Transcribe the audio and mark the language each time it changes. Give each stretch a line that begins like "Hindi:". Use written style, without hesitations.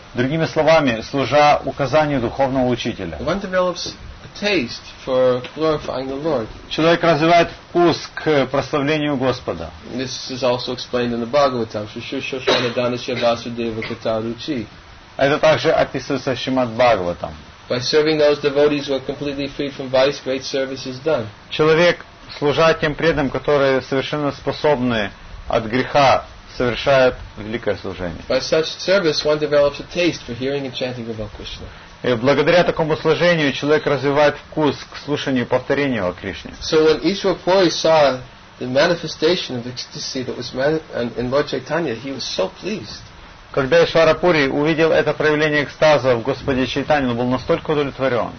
Russian: Другими словами, служа указанию духовного учителя.
English: One develops a taste for glorifying the Lord.
Russian: Человек развивает вкус к прославлению Господа.
English: This is also explained in the Bhagavatam.
Sanskrit: Shushushana Danasya Vasudeva Kataruchi.
Russian: Это также описывается в Шримад Бхагаватам.
English: By serving those devotees who are completely free from vice, great service is done.
Russian: Человек, служа тем преданным, которые совершенно способны от греха, совершает великое служение.
English: By such service, one develops a taste for hearing and chanting about Krishna.
Russian: И благодаря такому служению человек развивает вкус к слушанию и повторению о Кришне.
English: So when Ishwarpuri saw the manifestation of ecstasy that was in Lord Chaitanya, he was so pleased.
Russian: Когда Ишварапури увидел это проявление экстаза в Господе Чайтанье, он был настолько удовлетворен.